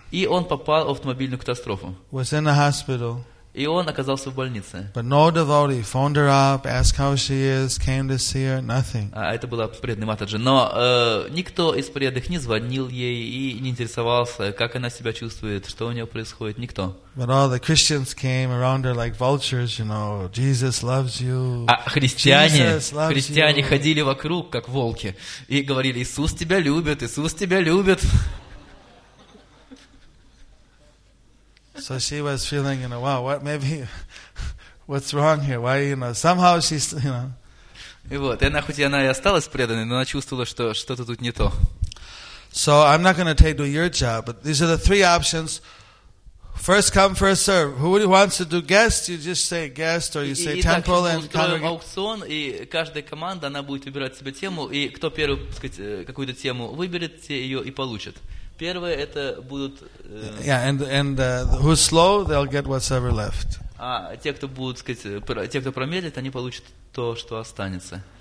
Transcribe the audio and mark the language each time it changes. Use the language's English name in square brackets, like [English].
[Russian] И он попал в автомобильную катастрофу. [English] Was in a hospital. [Russian] И он оказался в больнице. [English] But no devotee phoned her up, asked how she is, came to see her, nothing. [Russian] А это было преданный матаджи. Но никто из преданных не звонил ей и не интересовался, как она себя чувствует, что у нее происходит, никто. [English] But all the Christians came around her like vultures, you know, Jesus loves you. [Russian] А христиане, христиане ходили вокруг, как волки, и говорили, Иисус тебя любит, Иисус тебя любит. [English] So she was feeling, you know, wow, what maybe, what's wrong here? Why, you know, somehow she's, you know. [Russian] И вот, и она, хоть и она и осталась преданной, но она чувствовала, что что-то тут не то. [English] So I'm not going to take do your job, but these are the three options. First come, first serve. Who wants to do guest? You just say guest, or you say temple and congregation. [Russian] Итак, мы устроим аукцион, и каждая команда, она будет выбирать себе тему, и кто первый, так сказать, какую-то тему выберет, те ее и получат. Первое это будут. [English] Who's slow, they'll get whatever left. [Russian] А те, кто будут, сказать, те, кто промедлит, они получат то, что останется.